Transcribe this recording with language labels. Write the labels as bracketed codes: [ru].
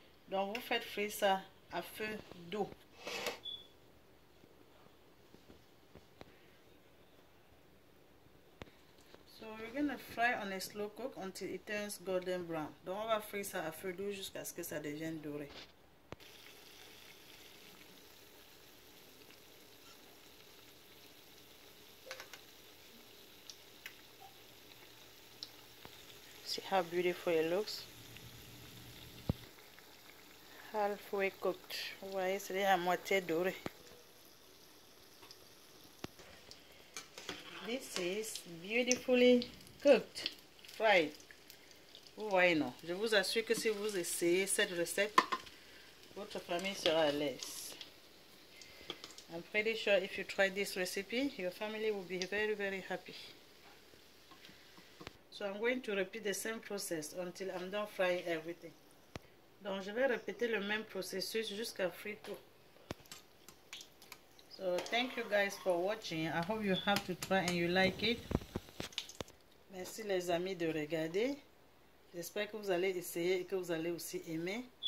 [fr] Donc vous faites frire ça à feu doux. [en] So we're gonna fry on a slow cook until it turns golden brown. [fr] Donc on va frire ça à feu doux jusqu'à ce que ça devienne doré. [en] See how beautiful it looks. Halfway cooked. [fr] Vous voyez, c'est à moitié doré. [en] This is beautifully cooked, fried. [fr] Vous voyez, non? Je vous assure que si vous essayez cette recette, votre famille sera à l'aise. [en] I'm pretty sure if you try this recipe, your family will be very, very happy. So I'm going to repeat the same process until I'm done frying everything. [fr] Donc je vais répéter le même processus jusqu'à frire tout. [en] So thank you guys for watching. I hope you have to try and you like it. [fr] Merci les amis de regarder. J'espère que vous allez essayer et que vous allez aussi aimer.